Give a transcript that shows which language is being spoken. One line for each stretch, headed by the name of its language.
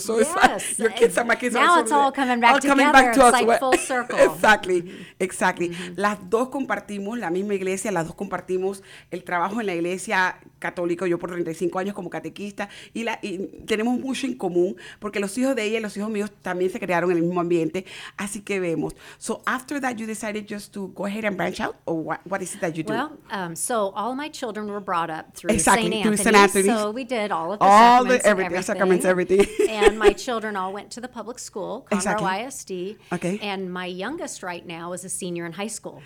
English: So yes, it's like your kids and my kids now are it's all coming back all together. Coming back to it's us. Like full circle. Exactly. Mm-hmm. Exactly. Mm-hmm.
Spanish: Las dos compartimos la misma iglesia, las dos compartimos el trabajo en la iglesia católica, yo por 35 años como catequista, y tenemos mucho en común porque los hijos de ella y los hijos míos también se crearon en el mismo ambiente. Así que vemos.
English: So after that, you decided just to go ahead and branch out, or what is it that you do? Well, so all my children were brought up through St. Anthony's. So we did all of the sacraments, everything. And my children all went to the public school, Conroe ISD. Okay. And my youngest right now is a senior in high school.